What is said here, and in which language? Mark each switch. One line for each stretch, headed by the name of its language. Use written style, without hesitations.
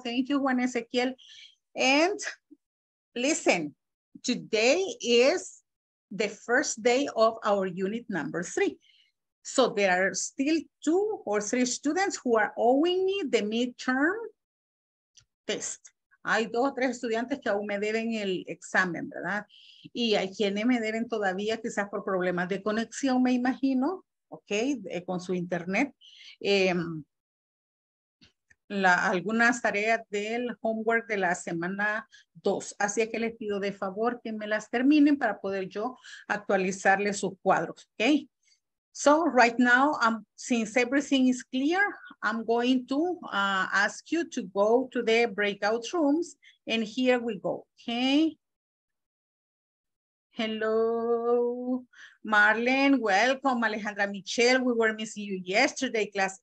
English: Thank you, Juan Ezequiel. And listen, today is the first day of our unit number 3. So there are still 2 or 3 students who are owing me the midterm test.
Spanish: Hay 2 o 3 estudiantes que aún me deben el examen, ¿verdad? Y hay quienes me deben todavía, quizás por problemas de conexión, me imagino, ¿ok? Con su internet. Algunas tareas del homework de la semana 2. Así que les pido de favor que me las terminen para poder yo actualizarles sus cuadros, ¿ok?
English: So, right now, since everything is clear, I'm going to ask you to go to the breakout rooms, and here we go, okay? Hello, Marlene, welcome, Alejandra Michelle, we were missing you yesterday, class.